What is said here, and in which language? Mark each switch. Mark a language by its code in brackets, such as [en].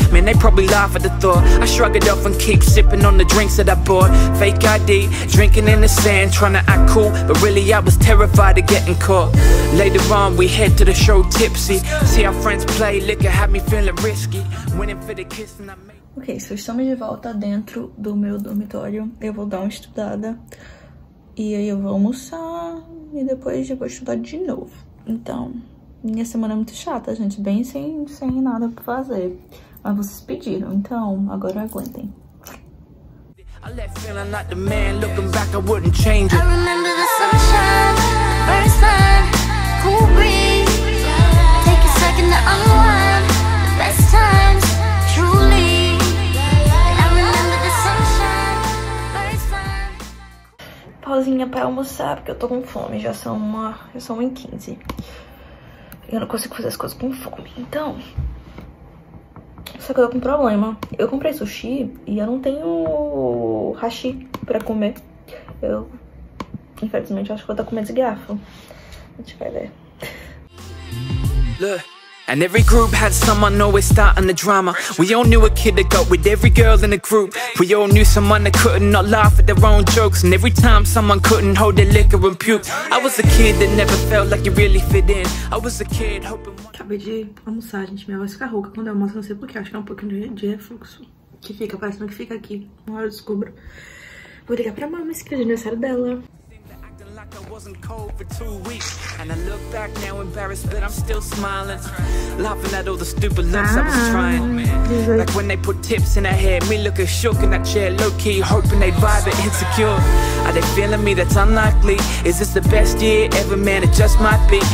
[en] Man, they probably laugh at the thought. I shrug it off and keep sipping on the drinks that I bought. Fake ID, drinking in the sand. Trying to act cool, but really I was terrified of getting caught. Later on, we head to the show tipsy. See our friends play, liquor had me feeling risky. Winning for the kiss and I made. [pt] Ok, so estamos de volta dentro do meu dormitório. Eu vou dar uma estudada. E aí eu vou almoçar. E depois eu vou estudar de novo. Então, minha semana é muito chata, gente. Bem sem nada pra fazer. Mas vocês pediram, então agora aguentem. [en] I left feeling like the man, looking back I wouldn't change it. I remember the sunshine, burning sun, cool breeze. Take a second to unwind, the best times, truly. I remember the sunshine, burning sun. [pt] Pausinha pra almoçar, porque eu tô com fome, já são 1h15. E eu não consigo fazer as coisas com fome, então... Só que eu tô com um problema. Eu comprei sushi e eu não tenho hashi pra comer. Eu, infelizmente, acho que vou estar comendo esse garfo. A gente vai ver. [en] And every group had someone always starting the drama. We all knew a kid that got with every girl in the group. We all knew someone that couldn't not laugh at their own jokes. And every time someone couldn't hold their liquor and puke. I was a kid that never felt like you really fit in. I was a kid hoping... [pt] Acabei de almoçar, gente. Minha voz fica rouca quando eu almoço, não sei porquê. Acho que é um pouquinho de refluxo que fica, parece que fica aqui. Uma hora eu descubro. Vou ligar pra mama, esse é o aniversário dela. [en] I wasn't cold for 2 weeks. And I look back now embarrassed, but I'm still smiling, laughing at all the stupid looks I was trying, man. Like when they put tips in her hair, me looking shook in that chair, low-key hoping they'd vibe it insecure. Are they feeling me? That's unlikely. Is this the best year ever, man? It just might be.